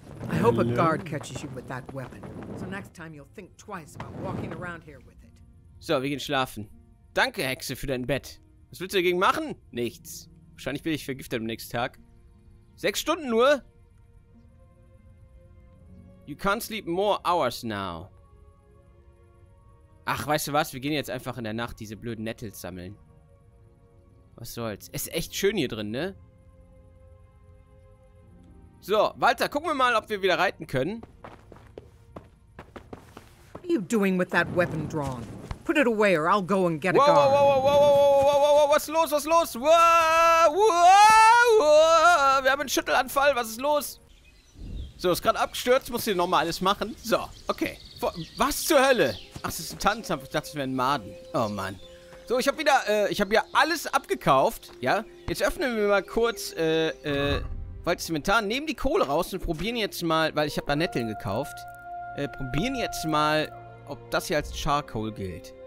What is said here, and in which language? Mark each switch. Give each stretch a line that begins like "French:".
English: I hope a guard catches you with that weapon. So next time you'll think twice about walking around here with it.
German: So, wir gehen schlafen. Danke, Hexe, für dein Bett. Was willst du dagegen machen? Nichts. Wahrscheinlich bin ich vergiftet am nächsten Tag. 6 Stunden nur?
English: You can't sleep more hours now.
German: Ach, weißt du was? Wir gehen jetzt einfach in der Nacht diese blöden Nettles sammeln. Was soll's? Es ist echt schön hier drin, ne? So, Walter, gucken wir mal, ob wir wieder reiten können.
English: What are you doing with that weapon drawn? Put it away or I'll go and get a guard. Whoa, whoa, whoa, whoa, whoa, whoa, whoa, whoa,
German: was los, was los? Whoa, whoa, whoa. Wir haben einen Schüttelanfall, was ist los? So, ist gerade abgestürzt, muss hier nochmal alles machen. So, okay. Was zur Hölle? Ach, es ist ein Tannenzapf, ich dachte, es wäre ein Maden. Oh Mann. So, ich habe wieder, ich habe ja alles abgekauft, ja? Jetzt öffnen wir mal kurz, Walters Inventar, nehmen die Kohle raus und probieren jetzt mal, weil ich habe da Netteln gekauft, probieren jetzt mal, ob das hier als Charcoal gilt.